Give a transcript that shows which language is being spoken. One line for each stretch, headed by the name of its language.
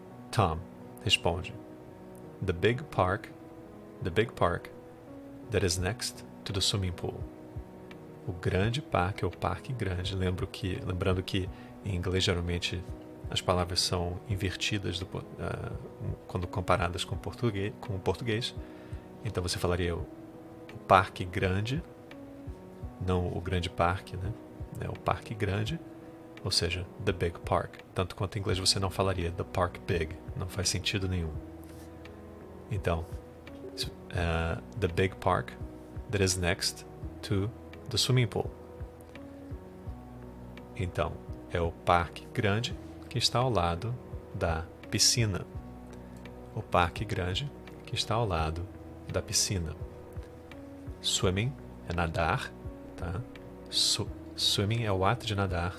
English: Tom
Portuguese: responde:
English: the big park that is next to the swimming pool.
Portuguese: O grande parque é o parque grande. Lembrando que em inglês geralmente as palavras são invertidas quando comparadas com português, então você falaria o parque grande, não o grande parque, né? É o parque grande, ou seja,
English: the big park.
Portuguese: Tanto quanto em inglês você não falaria
English: the park big,
Portuguese: não faz sentido nenhum.
English: Então, the big park that is next to the swimming pool.
Portuguese: Então, é o parque grande que está ao lado da piscina. O parque grande que está ao lado da piscina. Swimming é nadar, tá? Swimming é o ato de nadar.